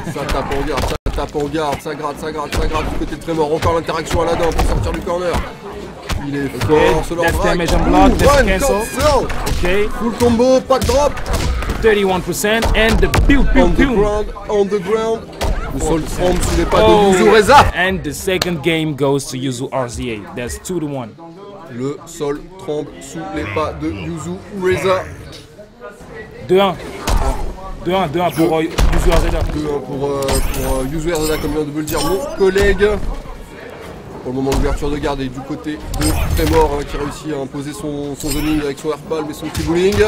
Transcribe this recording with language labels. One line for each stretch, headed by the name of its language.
French: Ça tape en garde, ça tape en garde, ça gratte du côté de Tremor. Encore l'interaction à la dame pour sortir du corner. Il est fort, ce Laudrac. Cancel. Ok. Full combo, pas de drop.
English: 31% and the pew pew on pew. The ground, on the ground.
French: Au sol front sous les pas de Yuzu Reza.
English: And the second game goes to Yuzu RZA. That's 2-1.
French: Le sol tremble sous les pas de Yuzu Reza. 2-1 pour Yuzu Reza. 2-1 pour Yuzu Reza, comme vient de vous le dire mon collègue. Pour le moment l'ouverture de garde est du côté de Tremor qui réussit à imposer son zoning avec son airpalm et son petit bowling.